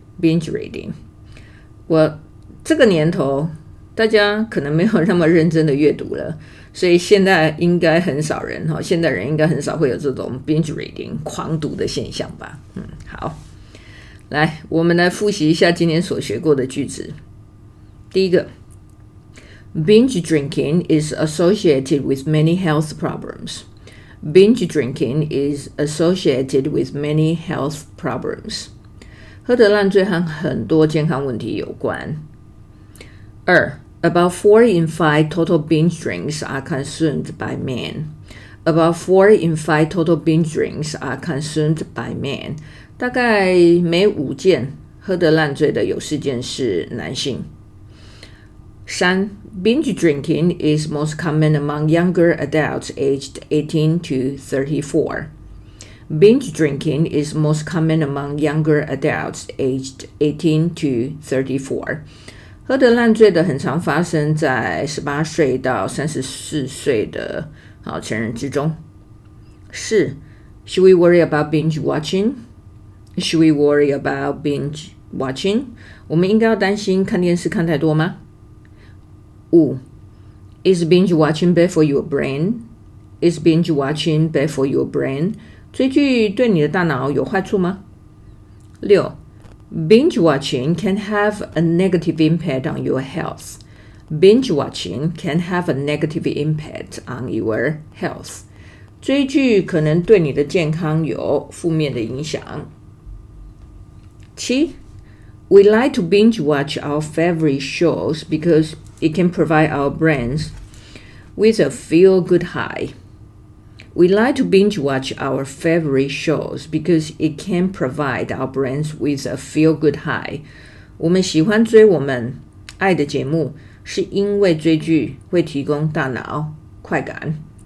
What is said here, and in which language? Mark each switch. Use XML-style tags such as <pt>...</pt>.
<zh>Binge reading， 我这个年头，大家可能没有那么认真的阅读了，所以现在应该很少人现代人应该很少会有这种 binge reading 狂读的现象吧。好，来，我们来复习一下今天所学过的句子。</zh> <en>第一个 ，binge drinking is associated with many health problems。 Binge drinking is associated with many health problems.</en> <zh>喝得烂醉和很多健康问题有关。</zh> <en>二 ，About 4 in 5 total binge drinks are consumed by men. About 4 in 5 total binge drinks are consumed by men.</en> <zh>大概每五件喝得烂醉的有四件是男性。</zh> <en>三 ，binge drinking is most common among younger adults aged 18 to 34. Binge drinking is most common among younger adults aged 18 to 34.</en> <zh>喝得烂醉的很常发生在18岁到34岁的成人之中。</zh> <en>是 Should we worry about binge watching? Should we worry about binge watching?</en> <zh>我们应该要担心看电视看太多吗？</zh> <en>五 Is binge watching bad for your brain? Is binge watching bad for your brain?</en> <zh>追剧对你的大脑有坏处吗？</zh> <en>六 Binge watching can have a negative impact on your health. Binge watching can have a negative impact on your health.</en> <zh>追剧可能对你的健康有负面的影响。</zh> <en>七 We like to binge watch our favorite shows because it can provide our brains with a feel-good high. We like to binge watch our favorite shows because it can provide our brains with a feel-good high.</en> <zh>我们喜欢追我们爱的节目，是因为追剧会提供大脑快感。</zh>